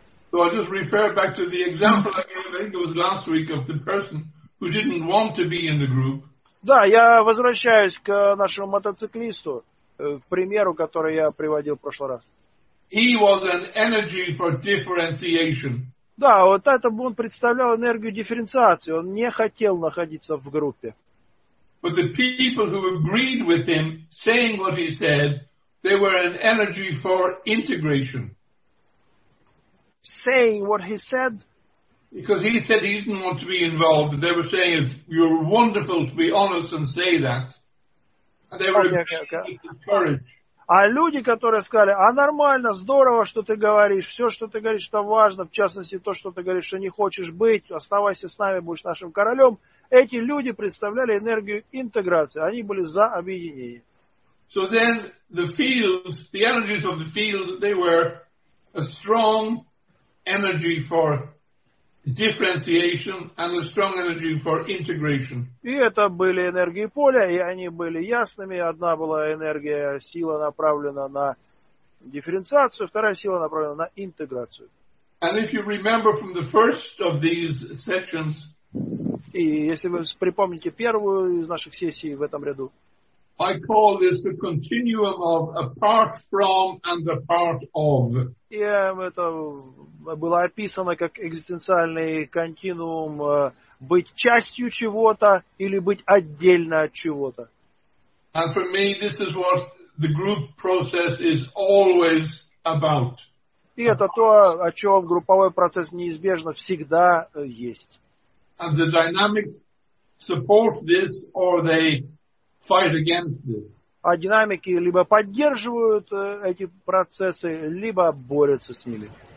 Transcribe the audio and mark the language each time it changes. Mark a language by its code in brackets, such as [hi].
[en] So I just refer back to the example I gave, I think it was last week, of the person who didn't want to be in the group. [ru] Да, я возвращаюсь к нашему мотоциклисту, к примеру, который я приводил в прошлый раз. [en] He was an energy for differentiation. [ru] Да, вот это он представлял энергию дифференциации, он не хотел находиться в группе. [en] But the people who agreed with him, saying what he said, they were an energy for integration. Saying what he said. Because he said he didn't want to be involved. They were saying, you're wonderful to be honest and say that. And they were with the courage. [ru] А люди, которые сказали, а нормально, здорово, что ты говоришь, все, что ты говоришь, это важно, в частности, то, что ты говоришь, что не хочешь быть, оставайся с нами, будешь нашим королем. Эти люди представляли энергию интеграции. Они были за объединение. [en] So then the fields, the energies of the field, they were a strong energy for differentiation and a strong energy for integration. [ru] И это были энергии поля, и они были ясными. Одна была энергия, сила направлена на дифференциацию, вторая сила направлена на интеграцию. [en] And if you remember from the first of these sessions, [ru] и если вы припомните первую из наших сессий в этом ряду, [en] I call this the continuum of apart from and apart of. [ru] И это было описано как экзистенциальный континуум быть частью чего-то или быть отдельно от чего-то. [en] And for me, this is what the group process is always about. [ru] И это то, о чем групповой процесс неизбежно всегда есть. [en] And the dynamics support this, or they fight against this. [ru] А динамики либо поддерживают эти процессы, либо борются с ними.